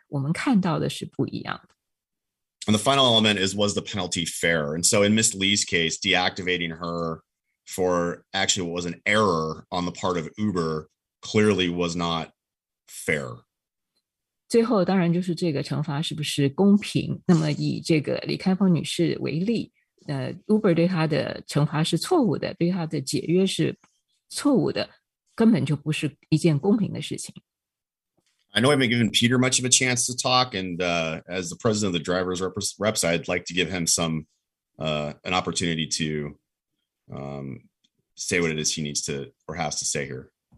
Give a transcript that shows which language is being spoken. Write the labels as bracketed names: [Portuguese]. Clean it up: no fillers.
[Chinese] 我们看到的是不一样的。 [English] And the final element is, was the penalty fair? And so in Ms. Lee's case, deactivating her for actually what was an error on the part of Uber clearly was not fair. [Chinese] 最后当然就是这个惩罚是不是公平?那么以这个李开峰女士为例, Uber对她的惩罚是错误的, 对她的解约是错误的, 根本就不是一件公平的事情。 [English] I know I haven't given Peter much of a chance to talk, and as the president of the driver's reps, I'd like to give him some an opportunity to say what it is he needs to or has to say here.